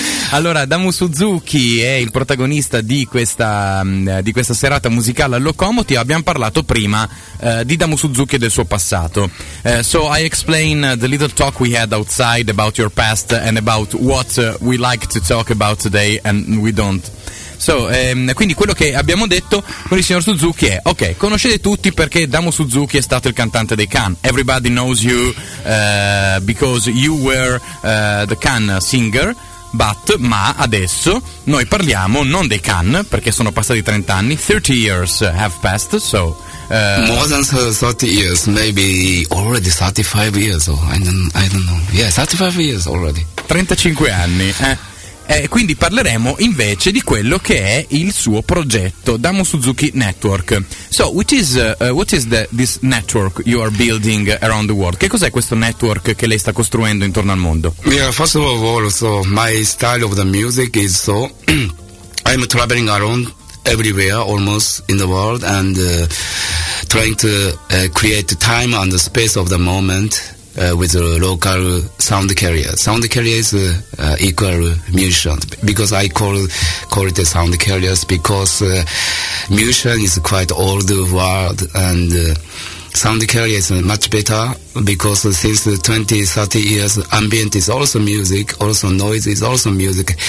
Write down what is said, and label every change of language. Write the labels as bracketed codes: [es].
[it] Allora, Damu Suzuki è il protagonista di questa serata musicale al Locomoti. Abbiamo parlato prima di Damu Suzuki e del suo passato. [en] So I explain the little talk we had outside about your past and about what we like to talk about today and we don't. [it] So, quindi quello che abbiamo detto con il signor Suzuki è: ok, conoscete tutti perché Damu Suzuki è stato il cantante dei Can. [en] Everybody knows you because you were the Can singer. [it] Ma adesso noi parliamo non dei Can, perché sono passati 30 anni. [en] 30 years have passed, so more than 30 years, maybe already 35 years, or I don't know. Yeah, 35 years already. [it] 35 anni, quindi parleremo invece di quello che è il suo progetto, Damu Suzuki Network. [en] So, what is this network you are building around the world? [it] Che cos'è questo network che lei sta costruendo intorno al mondo? [en] Yeah, first of all, so my style of the music is so I'm traveling around everywhere almost in the world and trying to create time and the space of the moment. With a local sound carrier. Sound carrier is equal musician, because I call it a sound carrier because musician is quite old world, and sound carrier is much better because since 20, 30 years, ambient is also music, also noise is also music.